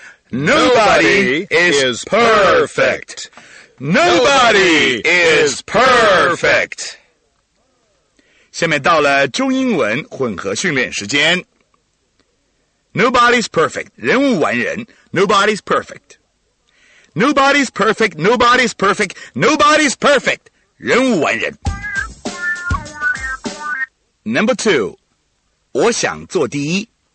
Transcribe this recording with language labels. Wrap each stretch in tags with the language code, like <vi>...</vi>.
<en>Nobody is perfect. Nobody is perfect.</en> <zh>下面到了中英文混合训练时间</zh> <en>Nobody's perfect,</en> <zh>人无完人</zh> <en>Nobody's perfect. Nobody's perfect, nobody's perfect, nobody's perfect.</en> <zh>人无完人。</zh> <en>Number two,</en> <zh>我想做第一。</zh>